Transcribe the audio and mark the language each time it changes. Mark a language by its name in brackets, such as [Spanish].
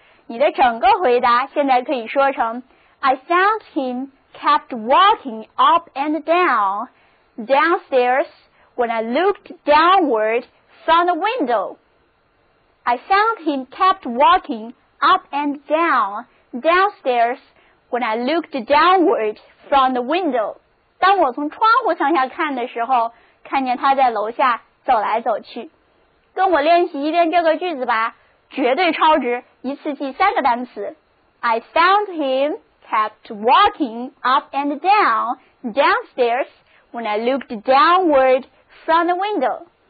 [Chinese] 你的整个回答现在可以说成 [English] I found himKept walking up and down downstairs when I looked downward from the window. I found him kept walking up and down downstairs when I looked downward from the window. [Chinese] 当我从窗户向下看的时候，看见他在楼下走来走去。跟我练习一遍这个句子吧，绝对超值，一次记三个单词。 [English] I found him. Kept walking up and down downstairs when I looked downward from the window.